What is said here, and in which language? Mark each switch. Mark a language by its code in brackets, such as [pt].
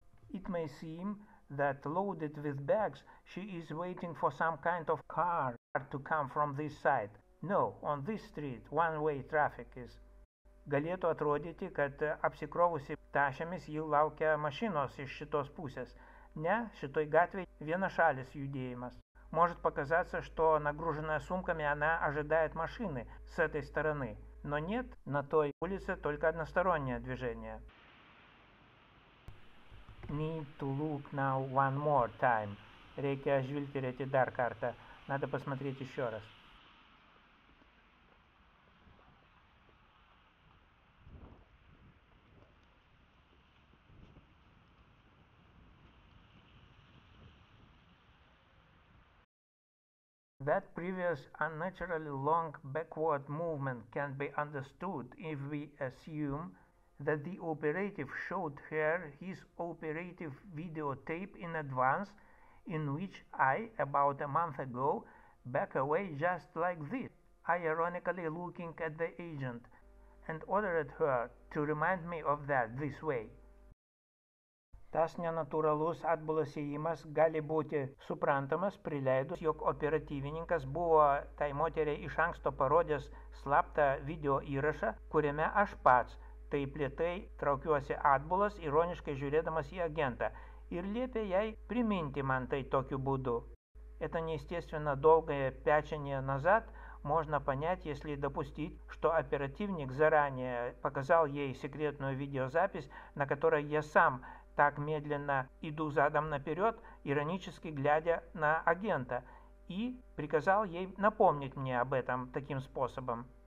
[en] It may seem that loaded with bags, she is waiting for some kind of car to come from this side. No, on this street, one-way traffic is. [lt] Galėtų atrodyti, kad apsikrovusi tašėmis ji laukia mašinos iš šitos pusės. Ne, šitoj gatvėj vienašalis judėjimas. [ru] Может показаться, что нагруженная сумками она ожидает машины с этой стороны. Но нет, на той улице только одностороннее движение. [en] Need to look now one more time. [lt] Reikia žvilgtirėti dar kartą. [ru] Надо посмотреть еще раз. [en] That previous unnaturally long backward movement can be understood if we assume that the operative showed her his operative videotape in advance, in which I, about a month ago, back away just like this, ironically looking at the agent, and ordered her to remind me of that this way. [lt] Tas nenatūralus atbalasėjimas gali būti suprantamas, prileidus, jog operatyvininkas buvo tai moteriai iš anksto parodęs slaptą video įrašą, kuriame aš pats taip lietai traukiuosi atbulas, ironiškai žiūrėdamas į agentą, ir liepė jai priminti man tai tokiu būdu. [ru] Это неестественно долгое пячение назад можно понять, если допустить, что оперативник заранее показал ей секретную видеозапись, на которой я сам так медленно иду задом наперед, иронически глядя на агента, и приказал ей напомнить мне об этом таким способом.